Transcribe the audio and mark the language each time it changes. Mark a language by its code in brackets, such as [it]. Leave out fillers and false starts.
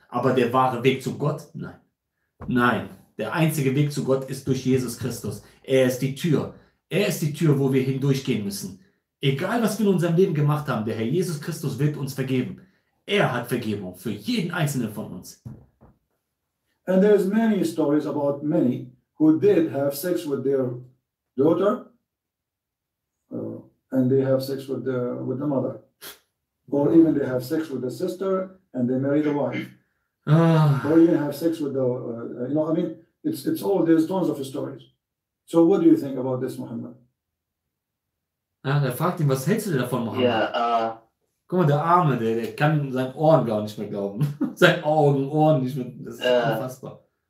[de] Aber der wahre Weg zu Gott? Nein. Nein, der einzige Weg zu Gott ist durch Jesus Christus. Er ist die Tür. Er ist die Tür, wo wir hindurchgehen müssen. Egal, was wir in unserem Leben gemacht haben, der Herr Jesus Christus wird uns vergeben. Er hat Vergebung für jeden Einzelnen von uns. [en] And there's many stories about many who did have sex with their daughter and they have sex with the mother. Or even they have sex with the sister and they marry the wife. Or even have sex with the, you know, I mean, it's all, there's tons of stories. So what do you think about this, Muhammad? [de] Er fragt ihn, was hältst du davon, Muhammad? Yeah, guck mal, der Arme, der kann seinen Ohren gar nicht mehr glauben. Seine Augen, Ohren nicht mehr, das ist unfassbar.